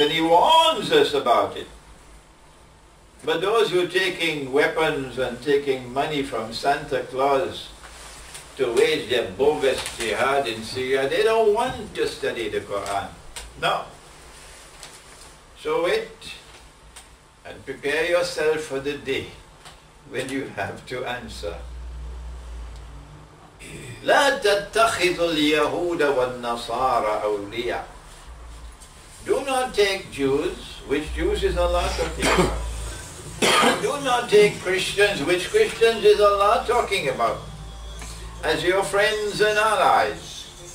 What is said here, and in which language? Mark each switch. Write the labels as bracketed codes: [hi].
[en] And He warns us about it. But those who are taking weapons and taking money from Santa Claus to wage their bogus jihad in Syria, they don't want to study the Quran. No. So wait and prepare yourself for the day when you have to answer. [ar] لا تتخذ اليهود والنصارى أولياء. [en] Do not take Jews, which Jews is a lot of people. Do not take Christians is Allah talking about, as your friends and allies.